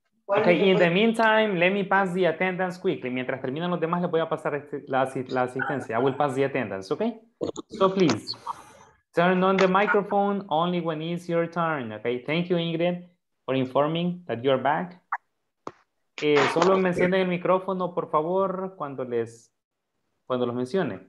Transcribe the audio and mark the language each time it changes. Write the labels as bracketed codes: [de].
[en] Okay, in the meantime, let me pass the attendance quickly. [es] Mientras terminan los demás, les voy a pasar la asistencia. [en] I will pass the attendance, okay? So please, turn on the microphone only when it's your turn, okay? Thank you, Ingrid, for informing that you're back. [es] Solo mencionen el micrófono, por favor, cuando los mencione.